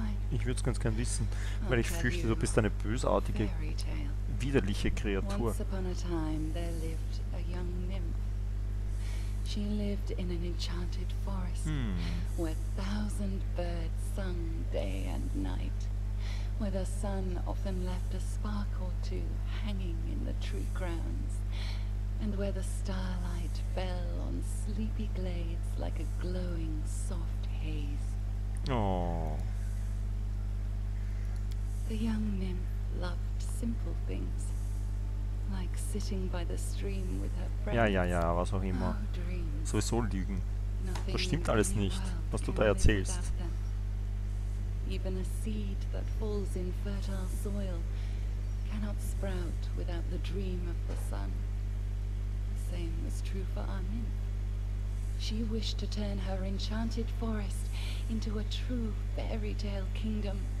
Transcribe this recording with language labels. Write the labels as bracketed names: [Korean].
[German] Ich würde es ganz gern wissen, weil ich fürchte, du bist eine bösartige, widerliche Kreatur. [English] Once upon a time there lived a young nymph. She lived in an enchanted forest, where thousand birds sung day and night, where the sun often left a spark or two hanging in the tree crowns, and where the starlight fell on sleepy glades like a glowing soft haze. Oh. The young nymph loved simple things, like sitting by the stream with her friends. [German] Ja, ja, ja, was auch immer. Sowieso lügen. Das stimmt alles nicht, was du da erzählst. [English] Even a seed that falls in fertile soil cannot sprout without the dream of the sun. The same was true for our nymph. She wished to turn her enchanted forest into a true fairy tale kingdom.